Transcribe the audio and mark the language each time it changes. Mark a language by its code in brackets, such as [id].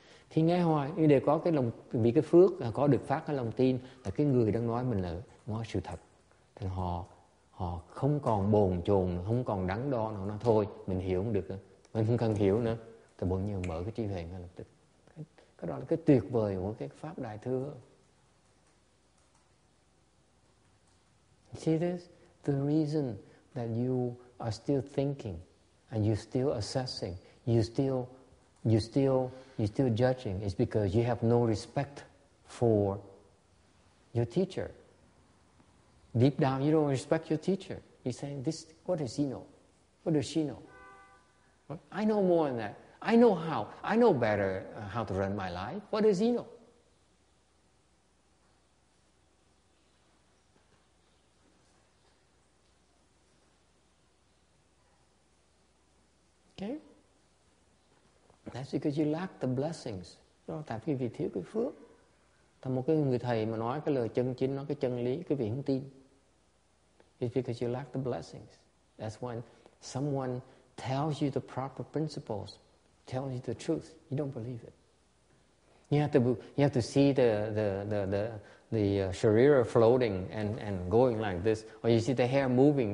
[vi] Khi nghe hoài, nhưng để có cái lòng, vì cái phước, có được phát cái lòng tin, là cái người đang nói mình là nói sự thật. Thì họ không còn bồn chồn, không còn đắn đo nữa. Nó thôi, mình hiểu không được, mình không cần hiểu nữa. Thì bỗng nhiên mở cái trí huệ ngay lập tức. Cái đó là cái tuyệt vời của cái Pháp Đại Thừa. [en] See this? The reason that you are still thinking and you're still assessing, you're still judging is because you have no respect for your teacher. Deep down, you don't respect your teacher. He's saying, "This, what does he know? What does she know? I know more than that. I know how. I know better how to run my life. What does he know?" Okay. That's because you lack the blessings. [vi] Đó là tại vì thiếu cái phước. Thành một cái người thầy mà nói cái lời chân chính, nói cái chân lý, cái vị không tin. [en] It's because you lack the blessings. That's when someone tells you the proper principles, tells you the truth, you don't believe it. You have to see the sharira floating and going like this, or you see the hair moving.